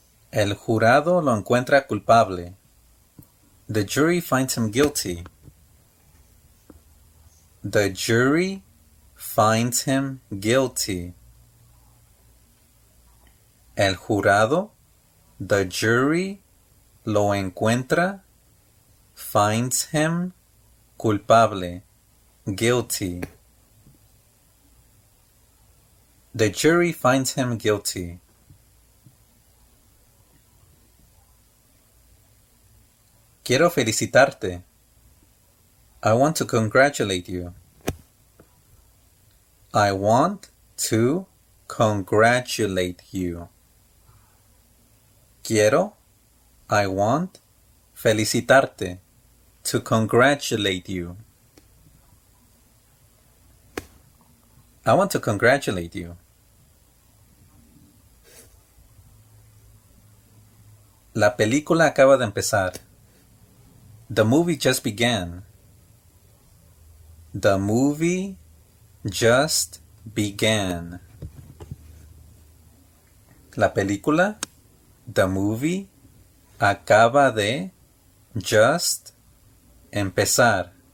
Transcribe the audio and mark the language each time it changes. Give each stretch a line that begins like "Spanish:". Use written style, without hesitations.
Spanish: El jurado lo encuentra culpable.
English: The jury finds him guilty. The jury finds him guilty.
Spanish: El jurado,
English: the jury,
Spanish: lo encuentra,
English: finds him
Spanish: culpable,
English: guilty. The jury finds him guilty.
Spanish: Quiero felicitarte.
English: I want to congratulate you. I want to congratulate you.
Spanish: Quiero,
English: I want,
Spanish: felicitarte,
English: to congratulate you. I want to congratulate you.
Spanish: La película acaba de empezar.
English: The movie just began. The movie just began.
Spanish: La película,
English: the movie,
Spanish: acaba de
English: just
Spanish: empezar.